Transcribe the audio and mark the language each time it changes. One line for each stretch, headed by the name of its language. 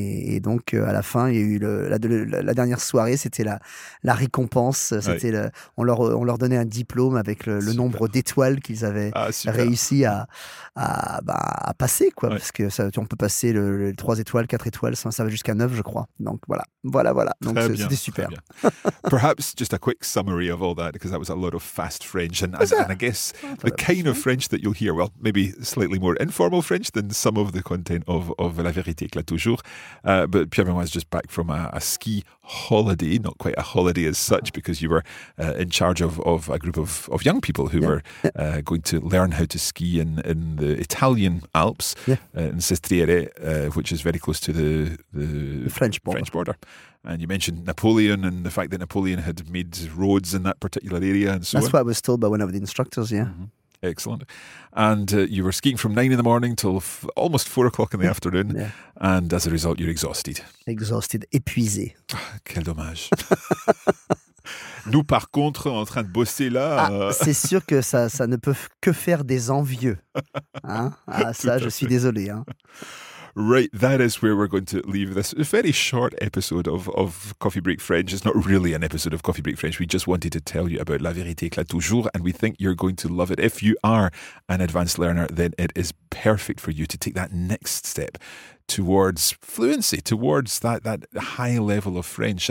French: Et donc, à la fin, il y a eu la dernière soirée, c'était la récompense. C'était on leur donnait un diplôme avec le nombre d'étoiles qu'ils avaient réussi à passer, quoi. Ouais. Parce que on peut passer le 3 étoiles, 4 étoiles, ça va jusqu'à 9, je crois. Donc, voilà. Donc, c'était super.
English: Perhaps just a quick summary of all that, because that was a lot of fast French. And I guess the kind of French that you'll hear, well, maybe slightly more informal French than some of the content of La Vérité Éclate Toujours. But Pierre-Benoît is just back from a ski holiday, not quite a holiday as such, because you were in charge of a group of young people who were going to learn how to ski in the Italian Alps, in Sestriere, which is very close to the French border. And you mentioned Napoleon and the fact that Napoleon had made roads in that particular area and so on. That's what I was told by one of the instructors, yeah. Mm-hmm. Excellent. And you were skiing from 9 in the morning till almost 4 o'clock in the afternoon. Yeah. And as a result, you're exhausted. Exhausted, épuisé.
French: Ah, quel dommage. Nous, par contre, en train de bosser là... C'est sûr que ça ne peut que faire des envieux. Hein? Ah, ça, je suis désolé. Hein.
English: Right, that is where we're going to leave this. A very short episode of Coffee Break French. It's not really an episode of Coffee Break French. We just wanted to tell you about La Vérité Éclate Toujours, and we think you're going to love it. If you are an advanced learner, then it is perfect for you to take that next step towards fluency, towards that high level of French.